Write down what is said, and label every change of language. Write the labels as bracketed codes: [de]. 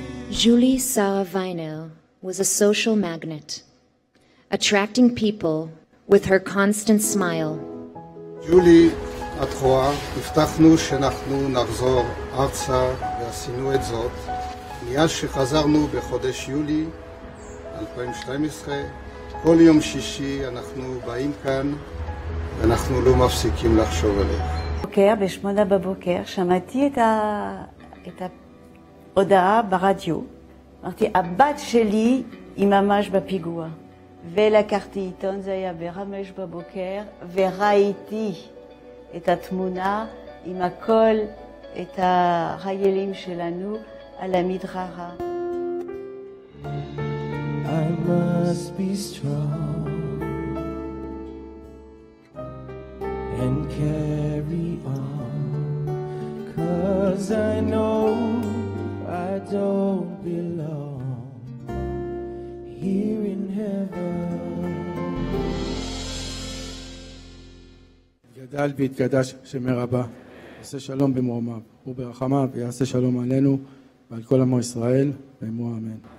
[en] Julie Sara Vinyl was a social magnet, attracting people with her constant smile. [he] Julie, at Roa, הבטחנו שאנחנו נחזור ארצה ועשינו את זאת. מיד שחזרנו בחודש יולי 2012, כל יום שישי אנחנו באים כאן ואנחנו לא מפסיקים לחשוב עליך. בוקר, בשמונה בבוקר, שמעתי את ההודעה ברדיו. אמרתי, הבת שלי היא ממש בפיגוע. ולקחתי עיתון, זה היה ברמש בבוקר, וראיתי את התמונה עם הכל, את החיילים שלנו על המדרכה. [en] I must be strong and carry on, 'cause I know I don't belong here in heaven. [he] גדל והתקדש שם רבה, עשה שלום במרומיו וברחמיו, יעשה שלום עלינו ועל כל עמו ישראל, ואמרו אמן.